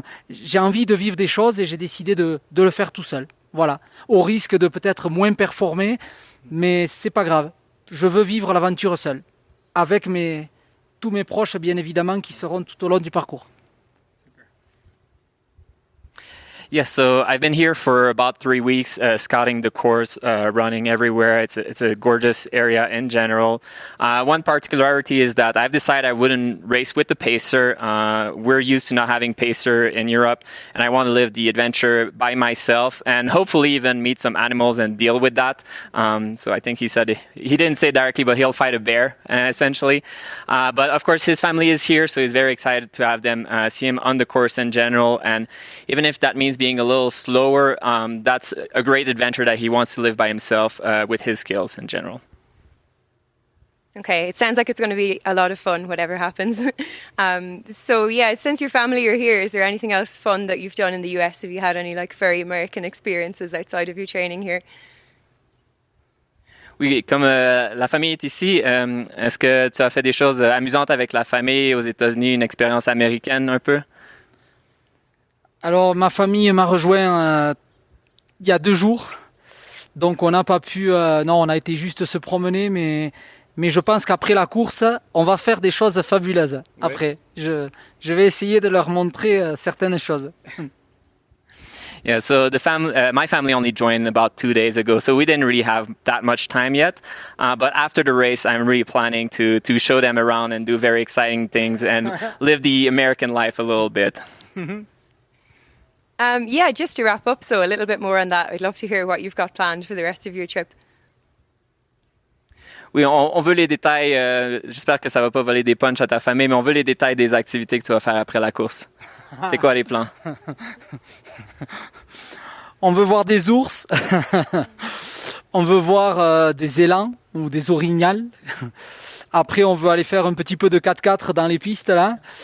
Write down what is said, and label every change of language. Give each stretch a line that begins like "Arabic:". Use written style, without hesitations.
French: J'ai envie de vivre des choses et j'ai décidé de le faire tout seul. Voilà, au risque de peut-être moins performer, mais c'est pas grave. Je veux vivre l'aventure seul, avec tous mes proches, bien évidemment, qui seront tout au long du parcours.
English: Yes, so I've been here for about 3 weeks, scouting the course, running everywhere. It's a gorgeous area in general. One particularity is that I've decided I wouldn't race with the pacer. We're used to not having pacer in Europe, and I want to live the adventure by myself and hopefully even meet some animals and deal with that. So I think he didn't say directly, but he'll fight a bear, essentially. But of course, his family is here, so he's very excited to have them see him on the course in general. And even if that means being a little slower, that's a great adventure that he wants to live by himself with his skills in general. Okay, it sounds like it's going to be a lot of fun, whatever happens. Since your family are here, is there anything else fun that you've done in the US? Have you had any like very American experiences outside of your training here?
French: Oui, comme la famille est ici, est-ce que tu as fait des choses amusantes avec la famille aux États-Unis, une expérience américaine un peu? Alors, ma famille m'a rejoint il y a 2 jours, donc on n'a pas pu, on a été juste se promener, mais je pense qu'après la course, on va faire des choses fabuleuses. Oui. Après, je vais essayer de leur montrer certaines choses.
English: Yeah, so the my family only joined about 2 days ago, so we didn't really have that much time yet. But after the race, I'm really planning to show them around and do very exciting things and live the American life a little bit. Just to wrap up, so a little bit more on that, I'd love to hear what you've got planned for the rest of your trip.
French: Oui, on veut les détails. J'espère que ça va pas voler des punchs à ta famille, mais on veut les détails des activités que tu vas faire après la course. C'est quoi les plans? On veut voir des ours. On veut voir des élans ou des orignals. Après, on veut aller faire un petit peu de 4x4 dans les pistes là.